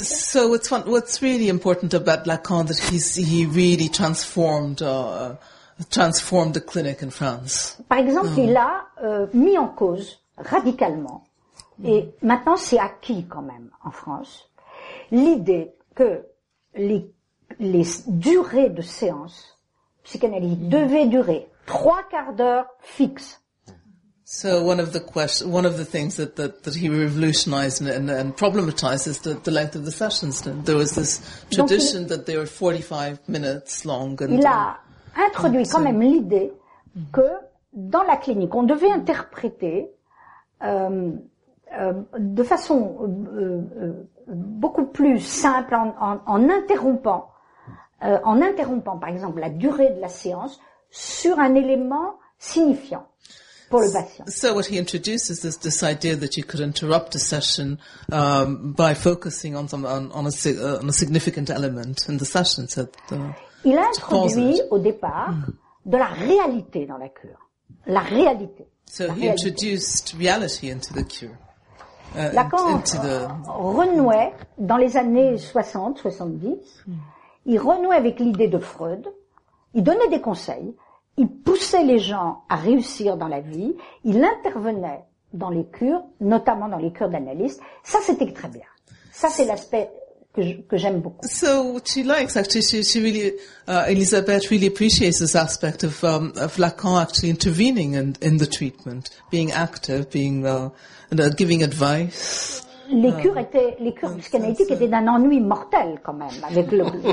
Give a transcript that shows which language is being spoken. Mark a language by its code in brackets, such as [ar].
[en] So what's really important about Lacan that he really transformed the clinic in France. [fr] Par exemple, il a mis en cause radicalement, et maintenant c'est acquis quand même en France, l'idée que les durées de séance psychanalytique devaient durer trois quarts d'heure fixe. [en] So one of the things that he revolutionized and problematized is the length of the sessions. There was this tradition [fr] Donc, [en] that they were 45 minutes long. And, [fr] il a introduit quand même l'idée que dans la clinique, on devait interpréter de façon beaucoup plus simple en interrompant par exemple la durée de la séance sur un élément signifiant. [en] So what he introduces is this idea that you could interrupt a session by focusing on a significant element in the session. So [fr] il a introduit au départ de la réalité dans la cure. La réalité. [en] So [fr] la [en] he réalité. Introduced reality into the cure. [fr] Lacan renouait dans les années 60-70. Il renouait avec l'idée de Freud. Il donnait des conseils. Il poussait les gens à réussir dans la vie. Il intervenait dans les cures, notamment dans les cures d'analystes. Ça, c'était très bien. Ça, c'est l'aspect que j'aime beaucoup. [en] So what she likes, actually, she really, Elizabeth really appreciates this aspect of Lacan actually intervening in the treatment, being active, being giving advice. [fr] Les cures psychanalytiques étaient d'un ennui mortel quand même avec le.